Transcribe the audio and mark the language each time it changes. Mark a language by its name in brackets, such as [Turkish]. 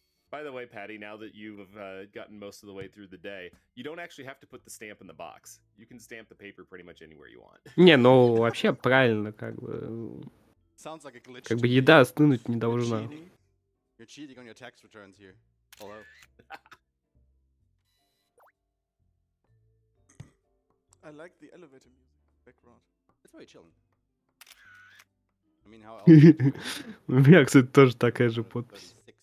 [English] By the way, Patty, now that you've gotten most of the way through the day, you don't actually have to put the stamp in the box. You can stamp the paper pretty much anywhere you want. [Russian] Не, ну вообще правильно, как бы. [English] Sounds like a glitch. [Russian] Как бы еда остынуть не должна. [English] You're cheating on your tax returns here. Hello. I like the elevator music background. It's very chilling. I mean, how else? [Russian] У меня, кстати, тоже такая же подпись.